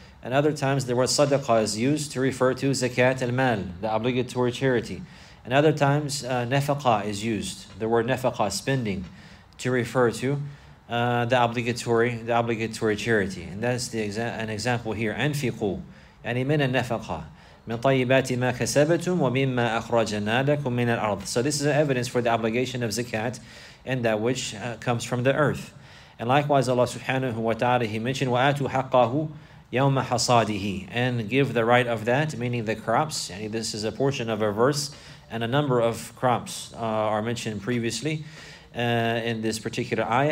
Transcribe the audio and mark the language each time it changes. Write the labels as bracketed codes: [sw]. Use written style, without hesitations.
[en] And other times the word sadaqah is used to refer to zakat al-mal, the obligatory charity. And other times nafaqa is used, the word nafaqa, spending, to refer to the obligatory charity. And that's an example here. Anfiqu. [ar] يعني من النفقة من طيبات ما كسبتم ومما أخرجنا لكم من الأرض. [en] So this is evidence for the obligation of zakat and that which comes from the earth. And likewise, Allah subhanahu wa ta'ala, He mentioned, [ar] وآتوا حقه يوم حصاده. [en] And give the right of that, meaning the crops. يعني this is a portion of a verse, and a number of crops are mentioned previously in this particular ayah.